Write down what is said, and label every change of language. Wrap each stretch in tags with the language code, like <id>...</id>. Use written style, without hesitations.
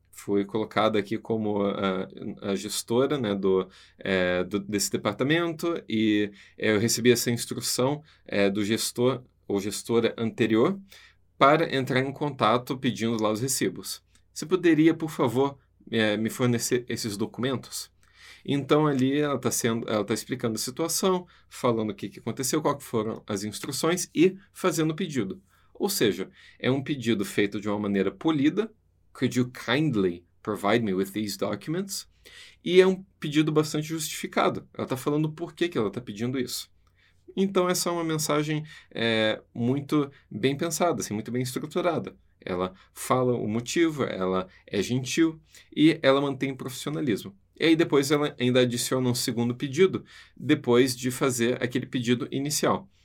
<pt>Fui colocada aqui como a gestora, né, desse departamento e eu recebi essa instrução do gestor ou gestora anterior para entrar em contato pedindo lá os recibos. Você poderia, por favor, me fornecer esses documentos? Então, ali ela tá explicando a situação, falando o que que aconteceu, quais foram as instruções e fazendo o pedido. Ou seja, é um pedido feito de uma maneira polida.</pt> <en>Could you kindly provide me with these documents?</en> <pt>E é um pedido bastante justificado. Ela está falando por que que ela está pedindo isso. Então, essa é uma mensagem muito bem pensada, assim, muito bem estruturada. Ela fala o motivo, ela é gentil e ela mantém profissionalismo. E aí, depois, ela ainda adiciona um segundo pedido, depois de fazer aquele pedido inicial.</pt>